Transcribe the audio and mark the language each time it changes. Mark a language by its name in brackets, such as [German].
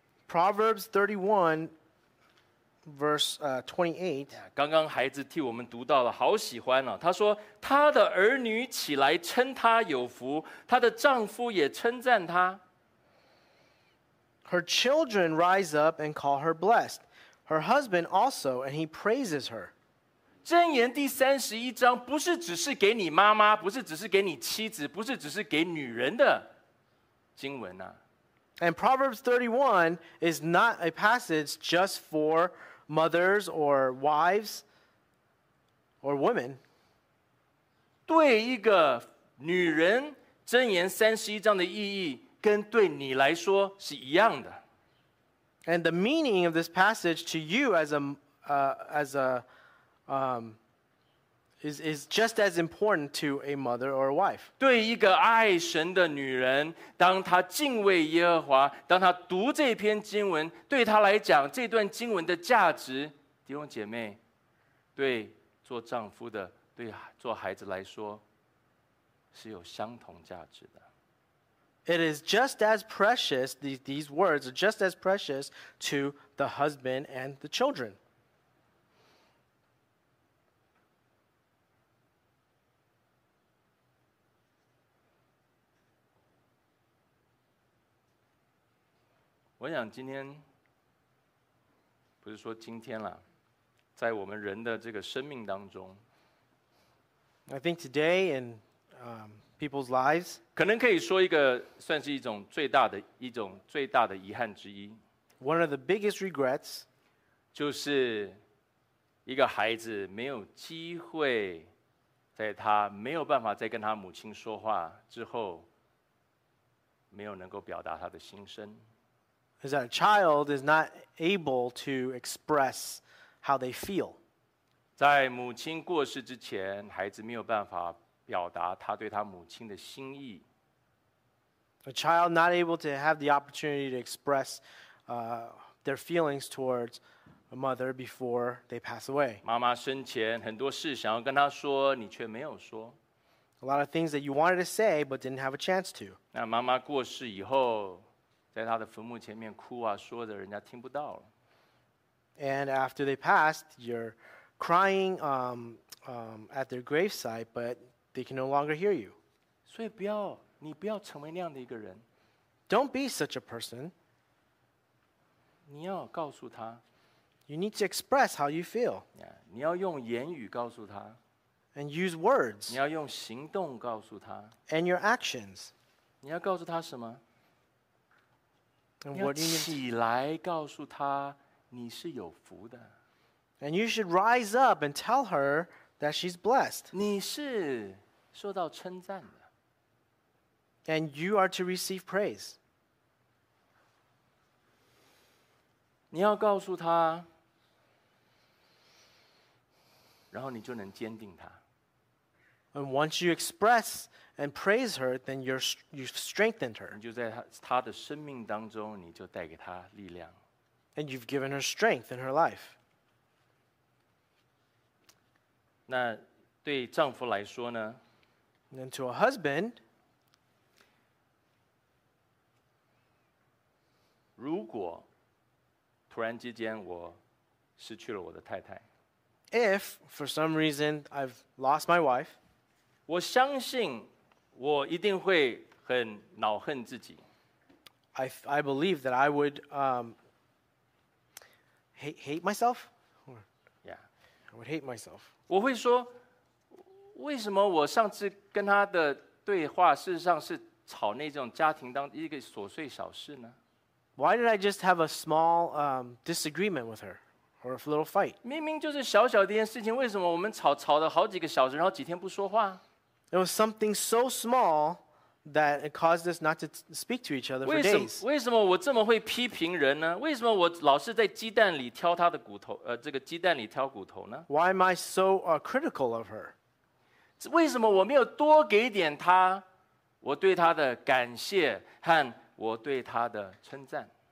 [English] Proverbs 31 says, Verse 28. [Chinese] 刚刚孩子替我们读到了，好喜欢啊！他说：“他的儿女起来称他有福，他的丈夫也称赞他。” [English] Her children rise up and call her blessed. Her husband also, and he praises her. [Chinese] 箴言第三十一章不是只是给你妈妈，不是只是给你妻子，不是只是给女人的经文啊。 [English] And Proverbs 31 is not a passage just for mothers or wives or women. [Chinese] 对一个女人，箴言三十一章的意义跟对你来说是一样的。 [English] And the meaning of this passage to you is just as important to a mother or a wife. [Chinese] 对一个爱神的女人，当她敬畏耶和华，当她读这篇经文，对她来讲，这段经文的价值，弟兄姐妹，对做丈夫的，对做孩子来说，是有相同价值的。 [English] It is just as precious, these words are just as precious to the husband and the children. [Chinese] 我想今天不是说今天啦，在我们人的这个生命当中， [English] I think today in people's lives [Chinese] 可能可以说一个算是一种最大的遗憾之一， [English] One of the biggest regrets [Chinese] 就是一个孩子没有机会在他没有办法再跟他母亲说话之后没有能够表达他的心声， [English] is that a child is not able to express how they feel. [Chinese] 在母亲过世之前，孩子没有办法表达他对他母亲的心意。 [English] A child not able to have the opportunity to express their feelings towards a mother before they pass away. [Chinese] 妈妈生前很多事想要跟她说，你却没有说。 [English] A lot of things that you wanted to say but didn't have a chance to. [Chinese] 那妈妈过世以后，在她的坟墓前面哭啊，说的人家听不到了。 [English] And after they passed, you're crying at their gravesite, but they can no longer hear you. [Chinese] 所以不要，你不要成为那样的一个人。 [English] Don't be such a person. [Chinese] 你要告诉他。 [English] You need to express how you feel. [Chinese] Yeah, 你要用言语告诉他。 [English] And use words. [Chinese] 你要用行动告诉他。 [English] And your actions. [Chinese] 你要告诉他什么？ [English] And what do you need? [Chinese] 你要起来告诉他。你是有福的。 [English] And you should rise up and tell her that she's blessed. [Chinese] 你是受到称赞的。 [English] And you are to receive praise. [Chinese] 你要告诉她，然后你就能坚定她。 [English] And once you express and praise her, then you've strengthened her. [Chinese] 你就在她的生命当中，你就带给她力量。 [English] And you've given her strength in her life. [Chinese] 那对丈夫来说呢？ [English] And to a husband, [Chinese] 如果突然之间我失去了我的太太， [English] If for some reason I've lost my wife, [Chinese] 我相信我一定会很恼恨自己。 [English] I believe that I would hate myself? Yeah. I would hate myself. [Chinese] 我会说，为什么我上次跟他的对话事实上是吵那种家庭当一个琐碎小事呢？ [English] Why did I just have a small disagreement with her? Or a little fight? [Chinese] 明明就是小小的一件事情，为什么我们吵了好几个小时，然后几天不说话？ [English] It was something so small that it caused us not to speak to each other for days. [Chinese] 为什么我这么会批评人呢？为什么我老是在鸡蛋里挑她的骨头，这个鸡蛋里挑骨头呢？ [English] Why am I so critical of her? [Chinese] 为什么我没有多给点她我对她的感谢和我对她的称赞？